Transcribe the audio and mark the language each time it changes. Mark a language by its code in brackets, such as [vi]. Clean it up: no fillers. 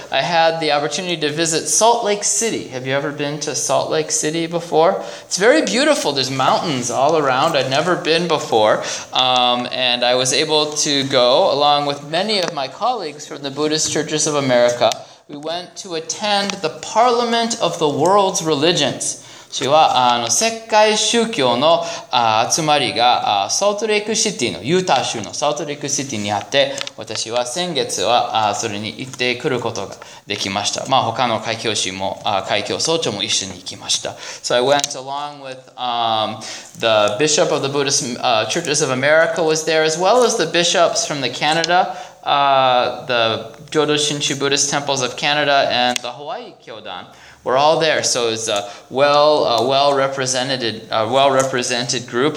[en] I had the opportunity to visit Salt Lake City. Have you ever been to Salt Lake City before? It's very beautiful. There's mountains all around. I'd never been before. And I was able to go along with many of my colleagues from the Buddhist Churches of America. We went to attend the Parliament of the World's Religions. [ja] 私は、世界宗教の集まりが、ソルトレイクシティの、ユータ州のソルトレイクシティにあって、私は先月は、それに行ってくることができました。まあ、他の会教士も、会教総長も一緒に行きました。 [en] So I went along with, the Bishop of the Buddhist, Churches of America was there, as well as the bishops from the Canada,the Jodo Shinshu Buddhist Temples of Canada and the Hawaii Kyodan. We're all there, so it's a well-represented group.